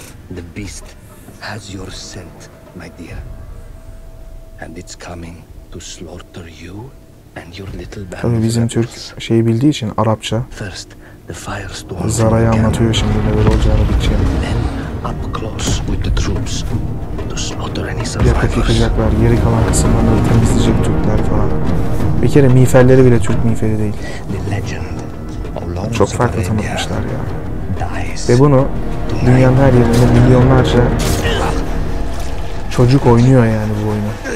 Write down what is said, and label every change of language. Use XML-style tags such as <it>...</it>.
<en>The beast has your scent, my dear. And it's coming to slaughter you and your little band.</en> <tr>Tabii bizim Türk şeyi bildiği için Arapça.</tr> <en>First, the fire storms.</en> <tr>Zara'yı anlatıyor şimdi neler olacağını bileceğim.</tr> <en>Then up close with the troops to slaughter any survivors.</en> <tr>Yakıp yıkacaklar, geri kalan kısımlarını temizleyecek Türkler falan. Bir kere miğferleri bile Türk miğferi değil.</tr> <en>The legend of Lawrence.</en> <tr>Çok farklı tanıtmışlar ya. Ve bunu dünyanın her yerinde milyonlarca çocuk oynuyor yani bu oyunu.</tr>